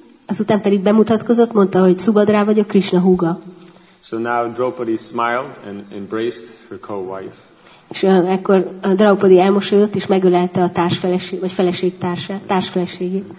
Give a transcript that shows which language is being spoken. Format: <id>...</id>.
<hu>Azután pedig bemutatkozott, mondta, hogy Subhadra vagyok, Krishna húga.</hu> <en>So now Draupadi smiled and embraced her co-wife.</en> <hu>És akkor a Draupadi elmosolyodott és megölelte a társfeleség vagy feleség társfeleségét.</hu>